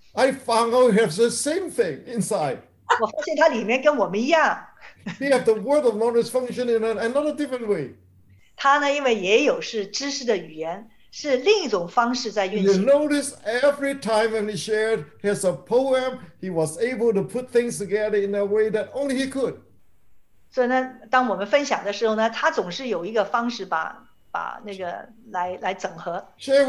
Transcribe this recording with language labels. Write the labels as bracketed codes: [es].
[en] I found out he has the same thing inside. [zh] 我发现他里面跟我们一样。He [en] has the word of knowledge functioning in another different way. [zh] 他呢，因为也有是知识的语言。是另一种方式在运行。You [en] notice every time when he shared his poem, he was able to put things together in a way that only he could. [zh] 所以呢，当我们分享的时候呢，他总是有一个方式把那个来整合。Share